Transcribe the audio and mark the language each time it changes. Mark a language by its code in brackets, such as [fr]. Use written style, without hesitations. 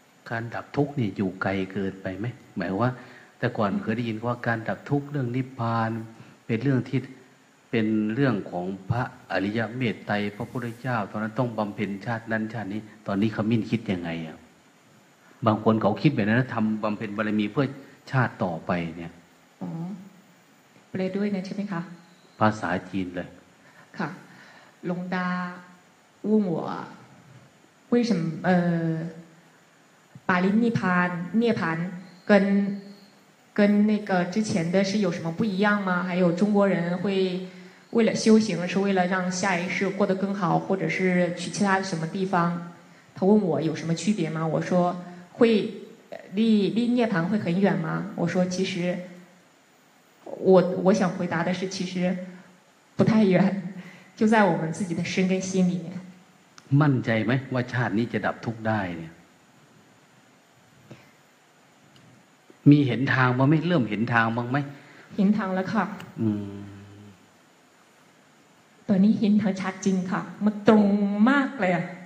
[th] การดับทุกข์เนี่ยอยู่ไกลเกินไปไหมหมายว่าแต่ก่อนเคยได้ยินว่าการดับทุกข์เรื่องนิพพานเป็นเรื่องที่เป็นเรื่องของพระอริยเมตไตรพระพุทธเจ้าตอนนั้นต้องบำเพ็ญชาตินั้นชาตินี้ตอนนี้ขมิ้นคิดยังไงอ่ะบางคนเขาคิดแบบนั้นทำบำเพ็ญบารมีเพื่อชาติต่อไปเนี่ย เลยด้วยนะใช่ไหมคะ ภาษาจีนเลย [zh] ค่ะหลวงตา问我为什么ปาริณิพาน涅槃跟那个之前的是有什么不一样吗还有中国人会为了修行是为了让下一世过得更好或者是去其他什么地方他问我有什么区别吗？我说会离涅槃会很远吗？我说其实我想回答的是，其实不太远，就在我们自己的身跟心里面。 [th] มั่นใจไหมว่าชาตินี้จะดับทุกข์ได้เนี่ยมีเห็นทางบ้างไหมเริ่มเห็นทางบ้างไหม เห็นทางแล้วค่ะตอนนี้เห็นทางชัดจริงค่ะมันตรงมากเลยอ่ะ